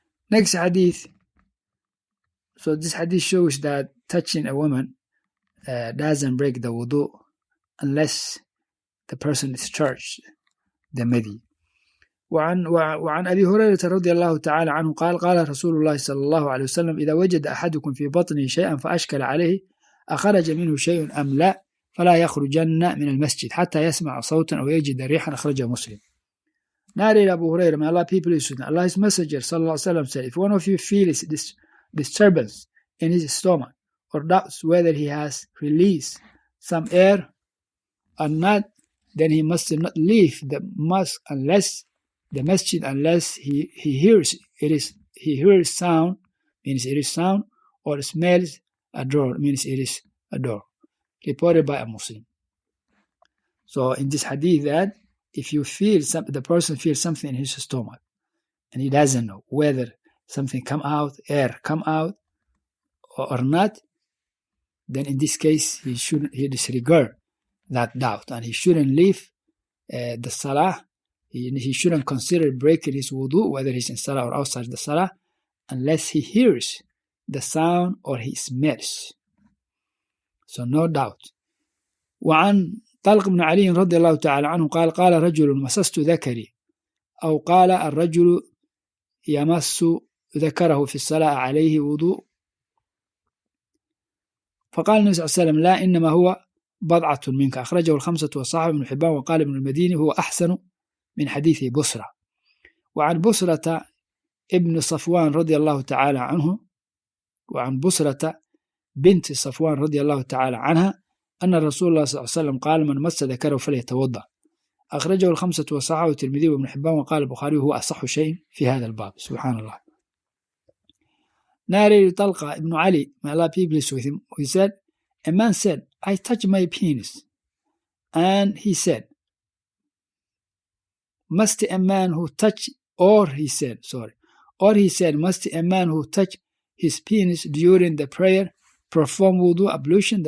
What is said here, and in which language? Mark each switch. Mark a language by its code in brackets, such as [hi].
[en] Next hadith. So this hadith shows that touching a woman doesn't break the wudu unless the person is charged the madi. [ar] وعن أبي هريرة رضي الله تعالى عنه قال قال رسول الله صلى الله عليه وسلم إذا وجد أحدكم في بطنه شيئا فأشكل عليه أخرج منه شيء أم لا فلا يخرجن من المسجد حتى يسمع صوتا أو يجد ريحا أخرجه مسلم. [en] Narrated Abu Hurairah, may Allah be pleased with him, Allah's Messenger sallallahu alaihi wasallam said, if one of you feels this disturbance in his stomach or doubts whether he has released some air or not, then he must not leave the mosque unless the masjid unless he hears sound, means it is sound, or smells a door, means it is a door. Reported by a Muslim. So in this hadith that if you feel the person feels something in his stomach and he doesn't know whether something come out, air come out or not, then in this case he disregard that doubt and he shouldn't leave the salah. He shouldn't consider breaking his wudu, whether he's in salah or outside the salah, unless he hears the sound or he smells. So no doubt. [ar] وعن طلق بن علي رضي الله تعالى عنه قال قال رجل مسست ذكري أو قال الرجل يمس ذكره في الصلاة عليه وضوء فقال النبي صلى الله عليه وسلم لا إنما هو بضعة منك. أخرجه الخمسة وصاحب ابن حبان وقال ابن المديني هو أحسن من حديث بصرة. وعن بصرة ابن صفوان رضي الله تعالى عنه وعن بصرة بنت صفوان رضي الله تعالى عنها أن الرسول صلى الله عليه وسلم قال من مس ذكره فليتوضأ. أخرجه الخمسة وصححه الترمذي وابن حبان وقال البخاري هو أصح شيء في هذا الباب. سبحان الله. [en] ناري طلقة ابن علي ما لا بيبلس وثم he said a man said I touched my penis and he said must a man who touch or he said sorry or he said must a man who touch his penis during the prayer perform wudu ablution?